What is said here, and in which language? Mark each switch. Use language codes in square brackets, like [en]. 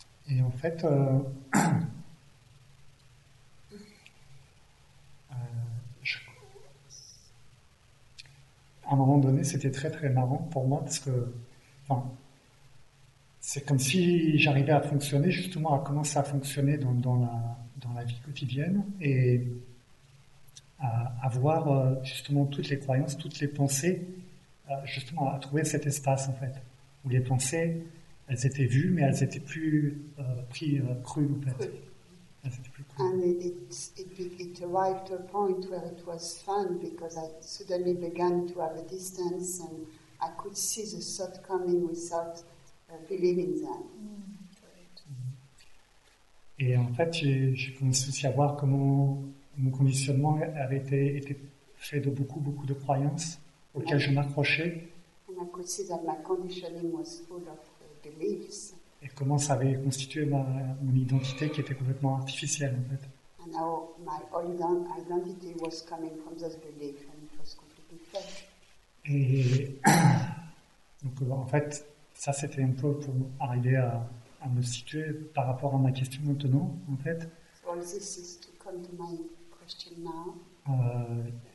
[fr] Et en fait, à un moment donné, c'était très très marrant pour moi parce que, enfin, c'est comme si j'arrivais à fonctionner justement, à commencer à fonctionner dans la vie quotidienne et à voir justement toutes les croyances, toutes les pensées, justement à trouver cet espace en fait, où les pensées, elles étaient vues, mais elles n'étaient plus crues en fait. Elles étaient plus crues. [en] And it arrived to a point where it was fun because I suddenly began to have a distance and I could see the thought coming without believing that. Mm. [fr] Et en fait, j'ai commencé aussi à voir comment mon conditionnement avait été fait de beaucoup, beaucoup de croyances auxquelles je m'accrochais. [en] And I could see that my conditioning was full of beliefs. [fr] Et comment ça avait constitué mon identité qui était complètement artificielle, en fait. [en] And how my identity was coming from those beliefs and it was completely fake. [fr] Et donc, en fait, ça, c'était un peu pour arriver à me situer par rapport à ma question maintenant, en fait. [en] So this is to come to my question now.